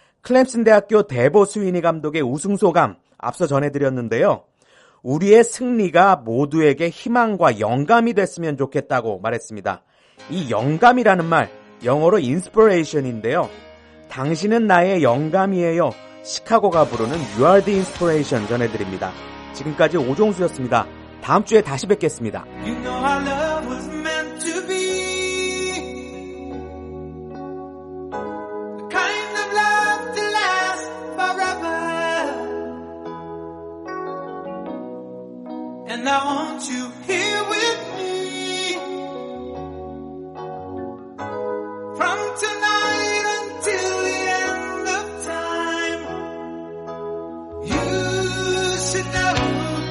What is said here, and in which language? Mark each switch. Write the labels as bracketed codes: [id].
[ko] 클렘슨 대학교 데보 스위니 감독의 우승 소감 앞서 전해드렸는데요. 우리의 승리가 모두에게 희망과 영감이 됐으면 좋겠다고 말했습니다. 이 영감이라는 말, 영어로 inspiration인데요. 당신은 나의 영감이에요. 시카고가 부르는 You Are The Inspiration 전해드립니다. 지금까지 오종수였습니다. 다음 주에 다시 뵙겠습니다. [en] You know our love was meant to be the kind of love to last forever. And I want you here with me from tonight until the end of time. You should know.